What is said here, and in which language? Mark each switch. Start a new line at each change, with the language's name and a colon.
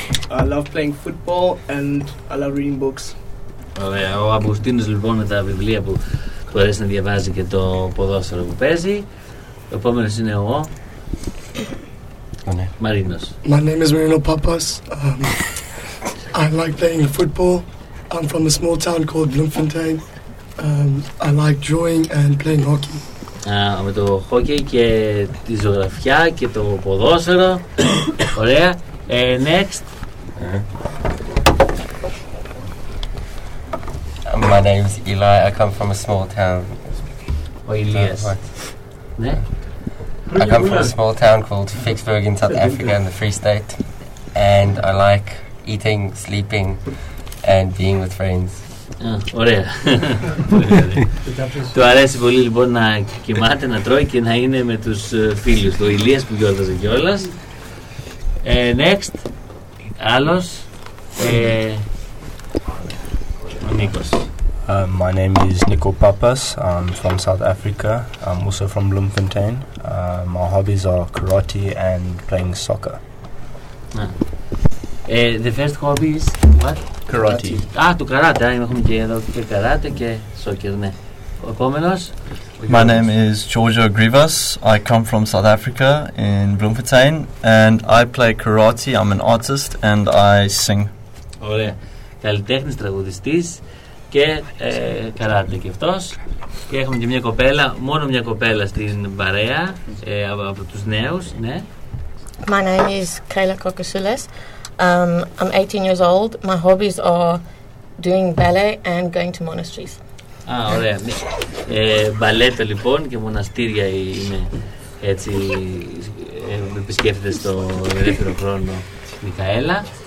English: I love playing football and I love reading books.
Greek: Ο Αγκουστίνος, λοιπόν, με τα βιβλία που του αρέσει να διαβάζει και το ποδόσφαιρο που παίζει. Ο επόμενος είναι εγώ. Μαρίνος.
English: My name is Marino Papas. I like playing football. I'm from a small town called Bloemfontein. I like drawing and playing hockey.
Greek: Με το χόκκι και τη ζωγραφιά και το ποδόσφαιρο. Ωραία. Next.
English: My name is Eli. I come from a small town.
Greek: Ο Ηλίας.
English: Ναι. I come from a small town called Ficksburg in South Africa in the Free State. And I like eating, sleeping and being with friends.
Greek: Ωραία. Του αρέσει πολύ, λοιπόν, να κοιμάται, να τρώει και να είναι με τους φίλους του. Ο Ηλίας που γιόρταζε κιόλας. Next. Άλλος. Ο Νίκος.
English: My name is Nico Papas. I'm from South Africa. I'm also from Bloemfontein. My hobbies are karate and playing soccer. The first hobby is what? Karate.
Greek: Α, του καράτε. Έχουμε και εδώ και καράτε και σόκερ, ναι. Ο επόμενος.
English: My name is Giorgio Grivas. I come from South Africa in Bloemfontein and I play karate. I'm an artist and I sing.
Greek: Ωραία. Καλλιτέχνης, τραγουδιστής και καράτε και αυτός. Και έχουμε και μια κοπέλα, μόνο μια κοπέλα στην παρέα από τους νέους, ναι.
English: My name is Kayla Kokosoulis. I'm 18 years old. My hobbies are doing ballet and going to monasteries.
Greek: Α, ωραία. Μπαλέτο λοιπόν και μοναστήρια είναι έτσι. Επισκέφτεται στο ελεύθερο χρόνο, Μιχαέλα.